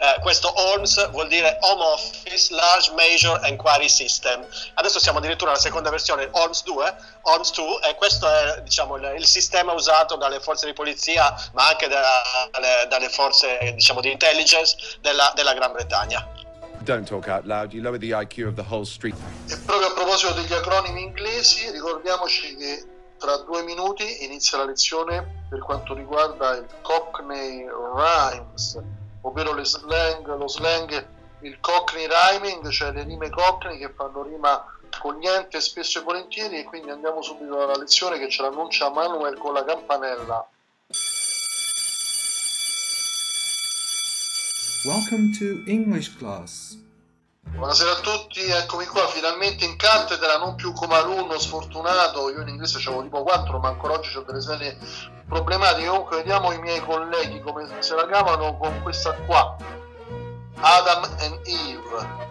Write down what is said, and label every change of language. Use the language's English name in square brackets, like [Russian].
[Italian] Questo Holmes vuol dire Home Office Large Major Enquiry System. Adesso siamo addirittura alla seconda versione, Holmes 2, e questo è, diciamo, il sistema usato dalle forze di polizia, ma anche dalle forze, diciamo, di intelligence della Gran Bretagna. [English] Don't talk out loud, you lower the IQ of the whole street. [Italian] E proprio a proposito degli acronimi inglesi, ricordiamoci che tra due minuti inizia la lezione per quanto riguarda il Cockney Rhymes, ovvero lo slang, il Cockney Rhyming, cioè le rime Cockney che fanno rima con niente spesso e volentieri. E quindi andiamo subito alla lezione, che ce l'annuncia Manuel con la campanella. [English] Welcome to English class. [Italian] Buonasera a tutti, eccomi qua finalmente in cattedra, non più come alunno sfortunato. Io in inglese c'avevo tipo 4, ma ancora oggi ho delle serie problematiche. Comunque vediamo i miei colleghi come se la cavano con questa qua, Adam and Eve.